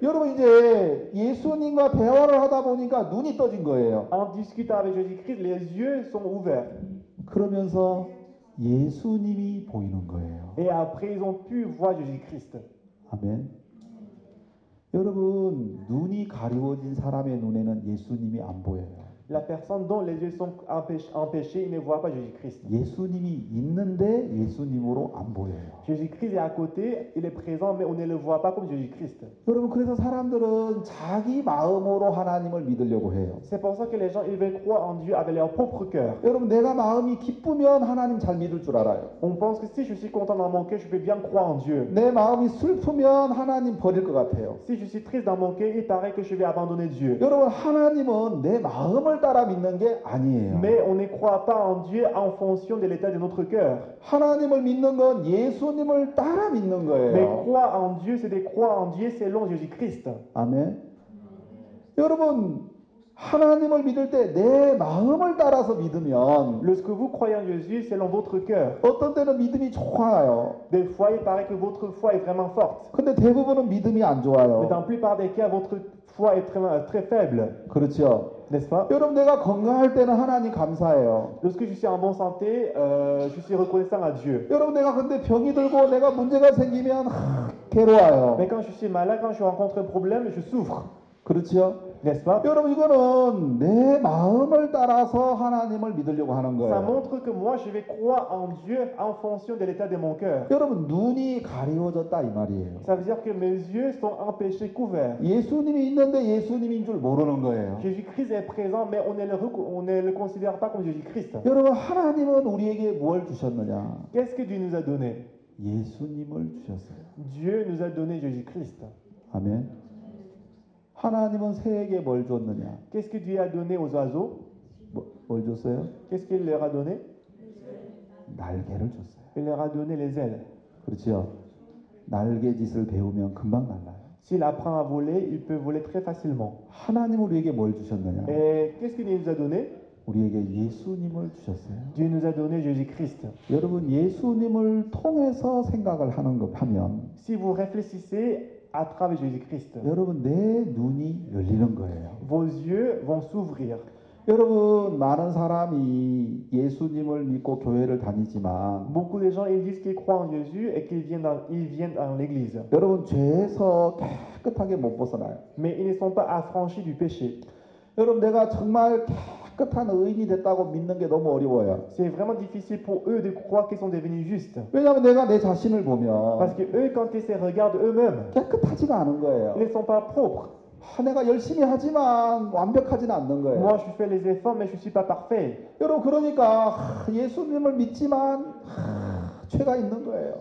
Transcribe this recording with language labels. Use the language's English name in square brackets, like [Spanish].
[Korean] 여러분 이제 예수님과 대화를 하다 보니까 눈이 떠진 거예요. [French] En discutant avec Jésus-Christ, les yeux sont ouverts. [Korean] 그러면서 예수님이 보이는 거예요. [French] Et après ils ont pu voir Jésus-Christ. [Korean] 아멘. 여러분 눈이 가리워진 사람의 눈에는 예수님이 안 보여요. [French] La personne dont les yeux sont empêchés, il ne voit pas Jésus-Christ. [Korean] 예수님이 있는데 예수님으로 안 보여요. [French] Jésus-Christ est à côté, il est présent, mais on ne le voit pas comme Jésus-Christ. [Korean] 여러분 그래서 사람들은 자기 마음으로 하나님을 믿으려고 해요. [French] C'est pour ça que les gens ils veulent croire en Dieu avec leur propre cœur. [Korean] 여러분 내가 마음이 기쁘면 하나님 잘 믿을 줄 알아요. [French] On pense que si je suis content dans mon cœur, je peux bien croire en Dieu. [Korean] 내 마음이 슬프면 하나님 버릴 것 같아요. [French] Si je suis triste dans mon cœur, il paraît que je vais abandonner Dieu. [Korean] 여러분 하나님은 내 마음 따라 믿는 게 아니에요. [French] Mais on ne croit pas en Dieu en fonction de l'état de notre cœur. [Korean] 하나님을 믿는 건 예수님을 따라 믿는 거예요. [French] Mais croire en Dieu, c'est de croire en Dieu selon Jésus-Christ. [Korean] 아멘. 여러분 하나님을 믿을 때 내 마음을 따라서 믿으면 [French] lorsque vous croyez en Jésus selon votre cœur [Korean] 어떤 때는 믿음이 좋아요. [French] Des fois, il paraît que votre foi est vraiment forte. [Korean] 근데 대부분은 믿음이 안 좋아요. [French] Mais dans la plupart des cas, votre foi est très faible. [Korean] 그렇죠. [French] N'est-ce pas? [Korean] 여러분 내가 건강할 때는 하나님 감사해요. [French] Lorsque je suis en bonne santé, je suis reconnaissant à Dieu. [Korean] 여러분 내가 근데 병이 들고 내가 문제가 생기면 괴로워요. [French] Mais quand je suis malade, quand je rencontre un problème, je souffre. [Korean] 그렇죠? [French] N'est-ce pas? [Korean] 여러분 이거는 내 마음을 따라서 하나님을 믿으려고 하는 거예요. [French] Ça montre que moi je vais croire en Dieu en fonction de l'état de mon cœur. [Korean] 여러분 눈이 가리워졌다 이 말이에요. [French] Ça veut dire que mes yeux sont empêchés couverts. [Korean] 예수님이 있는데 예수님인 줄 모르는 거예요. [French] Jésus-Christ est présent mais on ne le considère pas comme Jésus-Christ. [Korean] 여러분 하나님은 우리에게 뭘 주셨느냐? [French] Qu'est-ce que Dieu nous a donné? [Korean] 예수님을 주셨어요. [French] Dieu nous a donné Jésus-Christ. [Korean] 아멘. 하나님은 새에게 뭘 줬느냐? [French] Qu'est-ce que Dieu a donné aux oiseaux? [Korean] 뭘 줬어요? [French] Qu'est-ce qu'il leur a donné? [Korean] 날개를 줬어요. [French] Il leur a donné les ailes. [Korean] 그렇죠. 날개짓을 배우면 금방 날아요. [French] S'il apprend à voler, il peut voler très facilement. [Korean] 하나님 우리에게 뭘 주셨느냐? [French] Et qu'est-ce qu'il nous a donné? [Korean] 우리에게 예수님을 주셨어요. [French] Dieu nous a donné Jésus-Christ. [Korean] 여러분 예수님을 통해서 생각을 하는 것 하면 [French] Si vous réfléchissez à travers Jésus-Christ. [Korean] 여러분 내 눈이 열리는 거예요. [French] Vos yeux vont s'ouvrir. [Korean] 여러분 많은 사람이 예수님을 믿고 교회를 다니지만 [French] beaucoup de gens ils disent qu'ils croient en Jésus et qu'ils viennent dans l'église. [Korean] 여러분 죄에서 깨끗하게 못 벗어나요. [French] Mais ils ne sont pas affranchis du péché. [Korean] 여러분 내가 정말 깨끗한 의인이 됐다고 믿는 게 너무 어려워요. [French] C'est vraiment difficile pour eux de croire qu'ils sont devenus justes. [Korean] 왜냐하면 내가 내 자신을 보면 [French] Parce que eux, quand ils se regardent eux-mêmes, [Korean] 깨끗하지가 않은 거예요. [French] Ils ne sont pas propres. [Korean] 아, 내가 열심히 하지만 완벽하지는 않는 거예요. [French] Moi, je fais les efforts, mais je suis pas parfait. [Korean] 여러분 그러니까 예수님을 믿지만 죄가 있는 거예요.